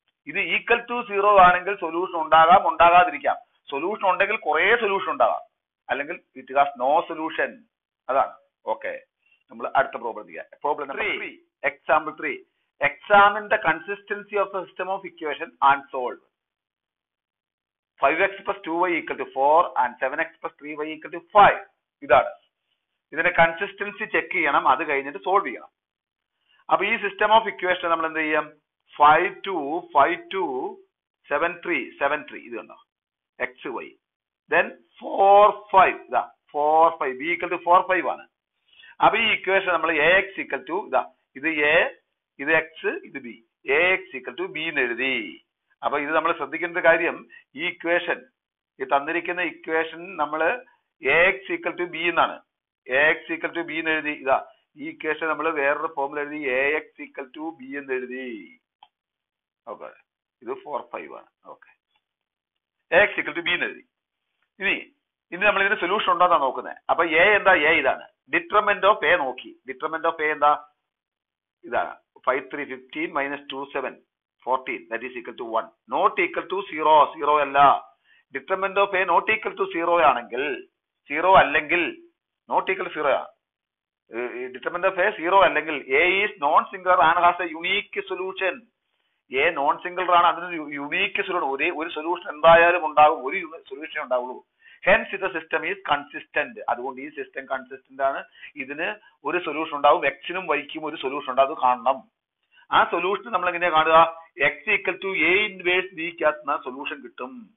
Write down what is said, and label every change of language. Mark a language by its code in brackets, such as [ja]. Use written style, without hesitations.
[ml] ഇത് equal to zero ആണെങ്കിൽ solution ഉണ്ടാകാം, ഉണ്ടാകാതിരിക്കാം. സൊല്യൂഷൻ ഉണ്ടെങ്കിൽ കുറെ സൊല്യൂഷൻ ഉണ്ടാകാം, അല്ലെങ്കിൽ [en] It has no solution. [ml] അതാണ്. ഓക്കെ, നമ്മൾ അടുത്ത പ്രോബ്ലം ചെയ്യാം. Problem three, example three. [en] Examine the consistency of the system of equation and solve. 5x plus 2y equal to 4 and 7x plus 3y equal to 5. [ml] ഇതാണ് ഇതിന്റെ consistency. Check ചെയ്യണം, അത് കഴിഞ്ഞിട്ട് സോൾവ് ചെയ്യണം. അപ്പൊ ഈ സിസ്റ്റം ഓഫ് ഇക്വേഷൻ നമ്മൾ എന്ത് ചെയ്യാം? 5 2 5 2 7 3 7 3, ഇത് കണ്ടോ, എക്സ് വൈ. ദെൻ 4 5, ഇതാ 4 5, ബി ഈക്വൽ ടു 4 5 ആണ്. അപ്പൊ ഈ ഇക്വേഷൻ നമ്മൾ എ എക്സ് ഈക്വൽ ടു ഇതാ, ഇത് എ, ഇത് എക്സ്, ഇത് B. A X equal to B എന്ന് എഴുതി. അപ്പൊ ഇത് നമ്മൾ ശ്രദ്ധിക്കേണ്ട കാര്യം, ഈ ഇക്വേഷൻ, ഈ തന്നിരിക്കുന്ന ഇക്വേഷൻ നമ്മൾ A X equal to B എന്നാണ്. A X equal to B എന്ന് എഴുതി. ഇതാ ഈ ഇക്വേഷൻ നമ്മൾ വേറൊരു ഫോമിൽ എഴുതി, A X equal to B എന്ന് എഴുതി. ഓക്കെ, ഇത് 4 5 ആണ്. Okay, A X equal to B എന്ന് എഴുതി. ഇനി ഇനി നമ്മൾ ഇതിന് സൊല്യൂഷൻ ഉണ്ടോന്നാ നോക്കുന്നത്. അപ്പൊ എ എന്താ? എ ഇതാണ്, ഡിറ്റർമിനന്റ് ഓഫ് എ നോക്കി. ഡിറ്റർമിനന്റ് ഓഫ് എ എന്താ? ഇതാണ് 5 3 15 minus 2 7 14, [en] that is equal to 1. Not equal to 0, [ml] 0 അല്ല. [en] Determinant of A not equal to 0 [ml] ആണെങ്കിൽ, 0 അല്ലെങ്കിൽ, [en] not equal to 0 ആണ്. Determinant of A [ml] 0 അല്ലെങ്കിൽ, [en] A is non-singular and has a unique solution. A non-singular [ml] ആണ്, അതിന് [en] unique solution. [ml] ഒരേ ഒരു solution എന്തായാലും ഉണ്ടാകും, ഒരു സൊല്യൂഷൻ ഉണ്ടാവുള്ളൂ. ഹെൻസ് ഇത് [en] System is consistent. [ml] അതുകൊണ്ട് ഈ സിസ്റ്റം കൺസിസ്റ്റന്റ് ആണ്. ഇതിന് ഒരു സൊല്യൂഷൻ ഉണ്ടാവും, എക്സിനും വൈക്കും ഒരു സൊല്യൂഷൻ ഉണ്ടാകും, കാണണം. ആ സൊല്യൂഷൻ നമ്മൾ എങ്ങനെയാ കാണുക? X equal to A inverse B ക്യാത്തുന്ന solution കിട്ടും.